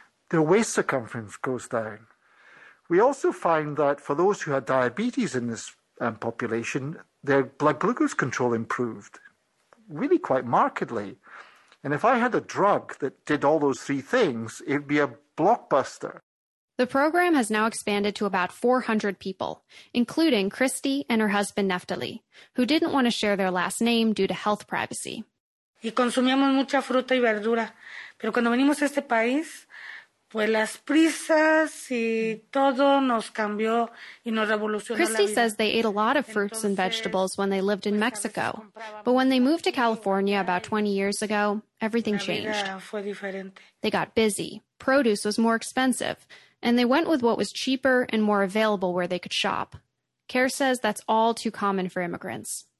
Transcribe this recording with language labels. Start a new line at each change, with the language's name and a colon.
English: Their waist circumference goes down. We also find that for those who had diabetes in this population, their blood glucose control improved, really quite markedly. And if I had a drug that did all those three things, it'd be a blockbuster. The program has now expanded to about 400 people, including Christy and her husband, Neftali, who didn't want to share their last name due to health privacy.
Spanish: Y consumíamos mucha fruta y verdura, pero cuando venimos a este país, pues las prisas y todo nos cambió y nos revolucionó.
English: Christy says they ate a lot of fruits and vegetables when they lived in Mexico, but when they moved to California about 20 years ago, everything changed. They got busy, produce was more expensive, and they went with what was cheaper and more available where they could shop. Kerr says that's all too common for immigrants.